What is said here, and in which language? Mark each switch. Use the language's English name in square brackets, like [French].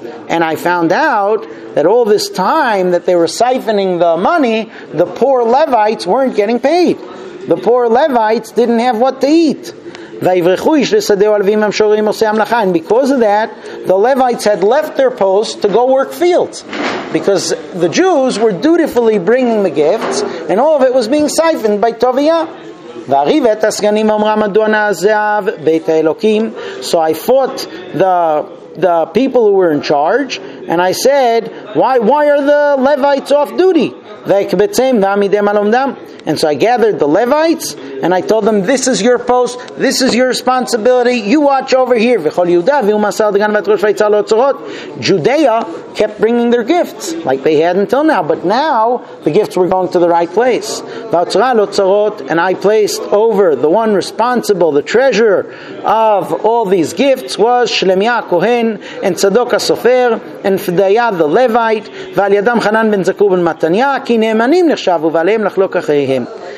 [English] And I found out that all this time that they were siphoning the money, the poor Levites weren't getting paid. The poor Levites didn't have what to eat. [Hebrew] ויברחו איש לשדה הלווים המשוררים עושי המלאכה. [English] And because of that, the Levites had left their posts to go work fields, because the Jews were dutifully bringing the gifts, and all of it was being siphoned by Toviah. [Hebrew] ואריב את הסגנים אמרה מדוע נעזב בית האלוקים. [English] So I fought the people who were in charge, and I said, why are the Levites off duty? [Hebrew] וקבצם ועמידם על עומדם. [English] And so I gathered the Levites, and I told them, this is your post, this is your responsibility, you watch over here. [Hebrew] וכל יהודה הביאו מסר דגן ואת ראש ויצא לאוצרות. [English] Judea kept bringing their gifts, like they had until now. But now, the gifts were going to the right place. [Hebrew] ואוצרה לאוצרות, [English] and I placed over the one responsible, the treasurer of all these gifts, was Shlemiah Kohen, and Tzadok HaSofer, and Fedaya the Levite, [Hebrew] ועל ידם חנן בן זקור בן מתניה, כי נאמנים נחשבו ועליהם לחלוק אחרי. [English] Him.